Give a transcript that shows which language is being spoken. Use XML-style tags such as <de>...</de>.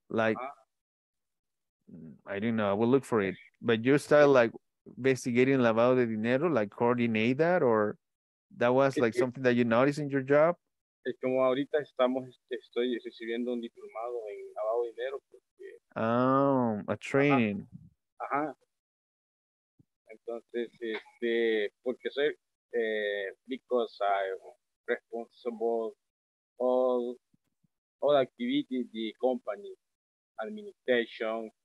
<en>Like, I don't know. I will look for it. But you started like investigating</en> <es>lavado de dinero,</es> <en>like coordinate that, or that was like something that you noticed in your job?</en> <es>Es como ahorita estoy recibiendo un diplomado en lavado de dinero porque...</es> <en>Oh, a training. Ajá.</en> <es>Entonces, porque soy,</es> <en>because I'm responsible for all activities, the company, administration,</en>